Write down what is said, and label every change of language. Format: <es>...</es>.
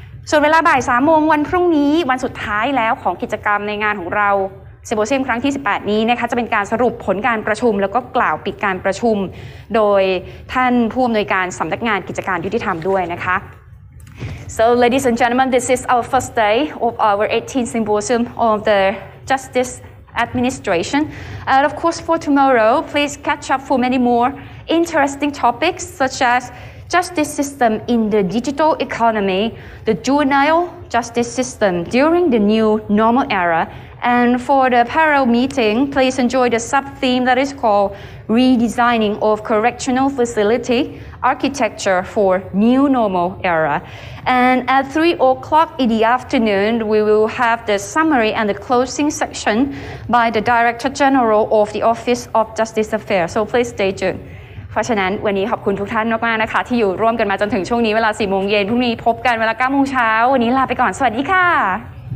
<th>ส่วนเวลาบ่าย3โมงวันพรุ่งนี้วันสุดท้ายแล้วของกิจกรรมในงานของเราซิมโบเซียมครั้งที่18นี้นะคะจะเป็นการสรุปผลการประชุมแล้วก็กล่าวปิดการประชุมโดยท่านผู้อำนวยการสำนักงานกิจการยุติธรรมด้วยนะคะ</th> <en>So ladies and gentlemen, this is our first day of our 18th symposium of the Justice Administration. And of course, for tomorrow, please catch up for many more interesting topics such as justice system in the digital economy, the juvenile justice system during the new normal era. And for the parallel meeting, please enjoy the sub-theme that is called Redesigning of Correctional Facility Architecture for New Normal Era. And at 3 o'clock in the afternoon, we will have the summary and the closing section by the Director General of the Office of Justice Affairs. So please stay tuned.</en> <th>เพราะฉะนั้นวันนี้ขอบคุณทุกท่านมากๆนะคะที่อยู่ร่วมกันมาจนถึงช่วงนี้เวลา4โมงเย็นพรุ่งนี้พบกันเวลา9โมงเช้าวันนี้ลาไปก่อนสวัสดีค่ะ</th>